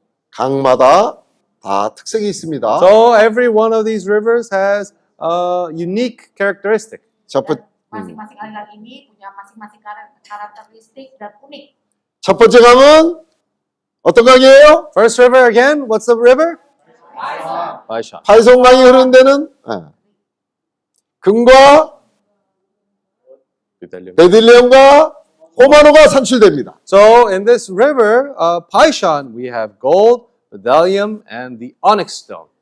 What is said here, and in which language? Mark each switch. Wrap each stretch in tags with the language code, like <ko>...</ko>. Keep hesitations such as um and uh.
<ko>강마다 다 특색이 있습니다.</ko> <en>So every one of these rivers has a unique characteristic. 첫</en> <ko>번째 강은 어떤 강이에요?</ko> <en>First river again. What's the river?</en> <ko>파이송 강이 흐르는 데는 네. 금과 베들레헴과 호마노가 산출됩니다.</ko> <en>So in this river, uh, Paishan, we have gold, bdellium, and the onyx stone.</en>